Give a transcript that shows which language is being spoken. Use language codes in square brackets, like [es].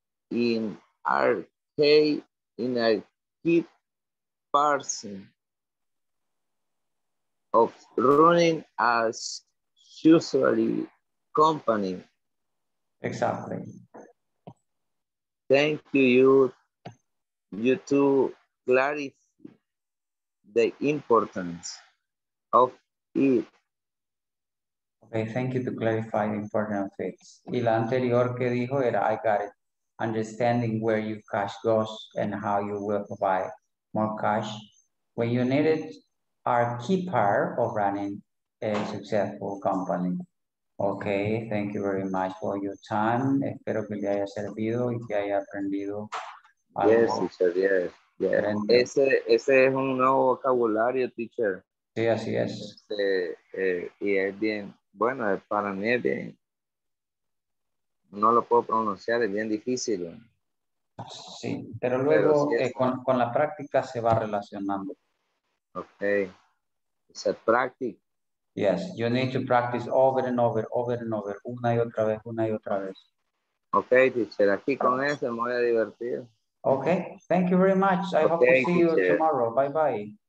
[en] in a key person of running as usually company. Exactly. Thank you. You to clarify the importance of it. Okay, thank you to clarify the importance of it. [es] Y la anterior que dijo era, [en] I got it. Understanding where your cash goes and how you will provide more cash when you need it are key part of running a successful company. Okay, thank you very much for your time. [es] Espero que le haya servido y que haya aprendido algo. [en] Yes, teacher, yes. Yeah. [es] Ese es un nuevo vocabulario, teacher. Sí, así es. Y es bien, bueno, para mí es bien. No lo puedo pronunciar, es bien difícil. Sí, pero luego con la práctica se va relacionando. [en] Okay, it's a practice. Yes, you need to practice over and over, [es] una y otra vez. Okay, teacher, aquí con eso me voy a divertir. [en] Okay, thank you very much. I hope to see you tomorrow. Bye-bye.